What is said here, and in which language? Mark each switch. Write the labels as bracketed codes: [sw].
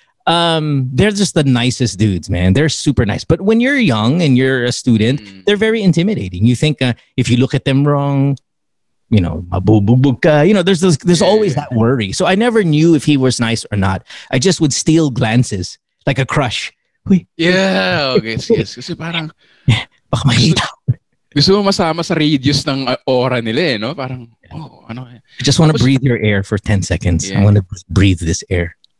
[en] They're just the nicest dudes, man. They're super nice. But when you're young and you're a student, they're very intimidating. You think if you look at them wrong, you know, [tl] mabubugbog ka. [en] You know, there's always that worry. So I never knew if he was nice or not. I just would steal glances like a crush. Yeah, okay. Yes. [tl] Kasi parang... Baka mahita. Gusto mo masama sa radius ng aura nila eh, no? Parang, [en] I just want to breathe your air for 10 seconds. Yeah. I want to breathe this air.